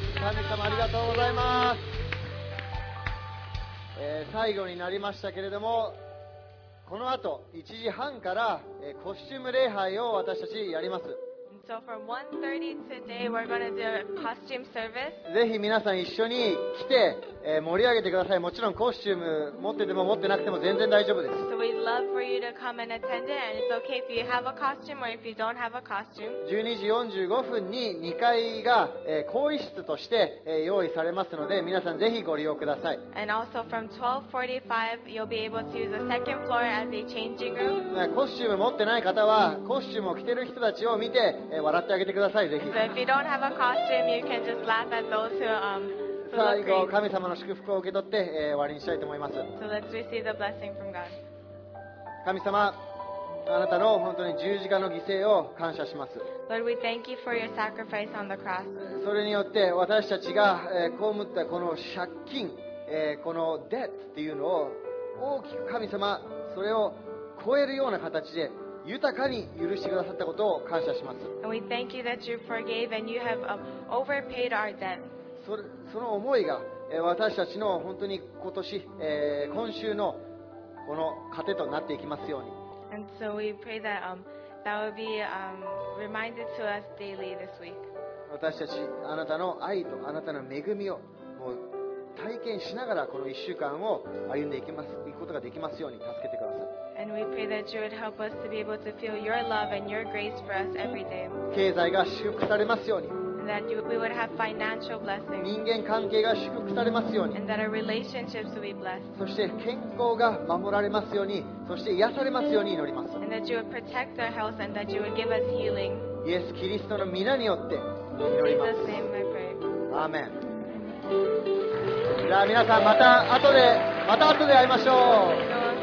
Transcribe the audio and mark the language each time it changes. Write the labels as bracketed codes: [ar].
[ja] 神様ありがとうございます。最後になりましたけれども、この後1時半から、コスチューム礼拝を私たちやります。 [en] So from 1:30 today, we're going to do a costume service. [ja] ぜひ皆さん一緒に来て、盛り上げてください。もちろんコスチューム持ってても持ってなくても全然大丈夫です。 [en] So we'd love for you to come and attend it, and it's okay if you have a costume or if you don't have a costume. [ja] 12時45分に2階が、更衣室として、用意されますので、皆さんぜひご利用ください。 [en] And also from 12:45, you'll be able to use the second floor as a changing room. [ja] コスチューム持ってない方は、コスチュームを着てる人たちを見て、笑ってあげてください。ぜひ。 [en] So if you don't have a costume, you can just laugh at those who, who look great. [ja] 最後、神様の祝福を受け取って、終わりにしたいと思います。 [en] So let's receive the blessing from God. [ja] 神様、あなたの本当に十字架の犠牲を感謝します。 [en] Lord, we thank you for your sacrifice on the cross. [ja] それによって私たちが、被ったこの借金、この debt っていうのを大きく神様、それを超えるような形で豊かに許してくださったことを感謝します。 [en] And we thank you that you forgave and you have overpaid our debt. [ja] その思いが私たちの本当に今年、今週のこの糧となっていきますように。 [en] And so we pray that that will be reminded to us daily this week. [ja] 私たちあなたの愛とあなたの恵みをもう体験しながらこの1週間を歩んでいくことができますように助けてください。 [en] And we pray that you would help us to be able to feel your love and your grace for us every day. [ja] 経済が祝福されますように。 [en] And that we would have financial blessings. [ja] 人間関係が祝福されますように。 [en] And that our relationships would be blessed. [ja] そして健康が守られますように、そして癒されますように祈ります。 [en] And that you would protect our health and that you would give us healing. [ja] イエス・キリストの御名によって祈ります。 [en] In Jesus' name, I pray. [ja] アーメン。じゃあ皆さんまた後で会いましょう。